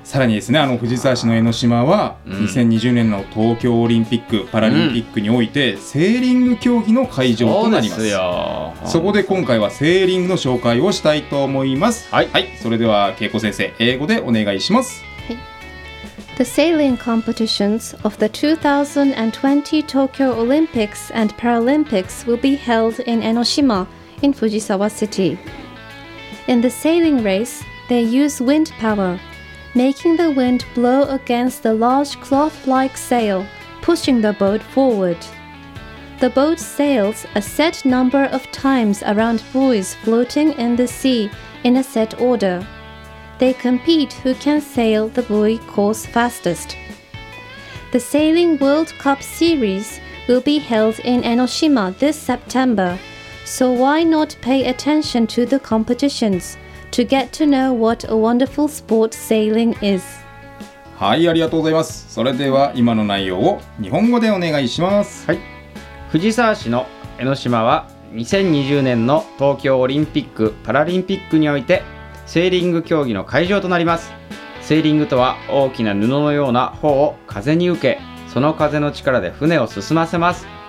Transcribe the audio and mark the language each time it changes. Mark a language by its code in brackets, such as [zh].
[ja] さらにですね、あの藤沢市の江ノ島は、2020年の東京オリンピック・パラリンピックにおいて、セーリング競技の会場となります。そうですよ。そこで今回はセーリングの紹介をしたいと思います。はい、はい、それでは恵子先生、英語でお願いします。 [en] The sailing competitions of the 2020 Tokyo Olympics and Paralympics will be held in Enoshima in Fujisawa City. In the sailing race, they use wind power, making the wind blow against the large cloth-like sail, pushing the boat forward. The boat sails a set number of times around buoys floating in the sea in a set order. They compete who can sail the buoy course fastest. The Sailing World Cup Series will be held in Enoshima this September, so why not pay attention to the competitions to get to know what a wonderful sport sailing is? [ja] はい、ありがとうございます。それでは今の内容を日本語でお願いします。はい。藤沢市の江ノ島は2020年の東京オリンピック・パラリンピックにおいてセーリング競技の会場となります。セーリングとは大きな布のような帆を風に受け、その風の力で船を進ませます。